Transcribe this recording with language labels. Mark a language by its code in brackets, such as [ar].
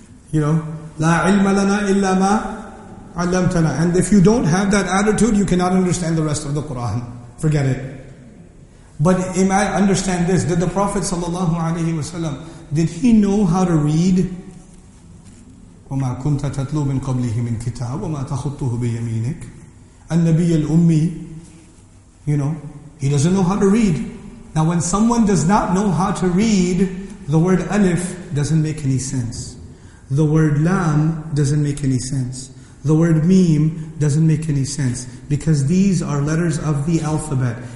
[en] You know? [ar] لا علم لنا إلا ما علمتنا. [en] And if you don't have that attitude, you cannot understand the rest of the Quran. Forget it. But understand this: did the Prophet sallallahu alaihi wasallam, did he know how to read? [ar] وما كنت تتلو من قبله من كتاب وما تخطه بيمينك النبي الأمي. [en] You know, he doesn't know how to read. Now, when someone does not know how to read, the word alif doesn't make any sense. The word lam doesn't make any sense. The word meme doesn't make any sense. Because these are letters of the alphabet.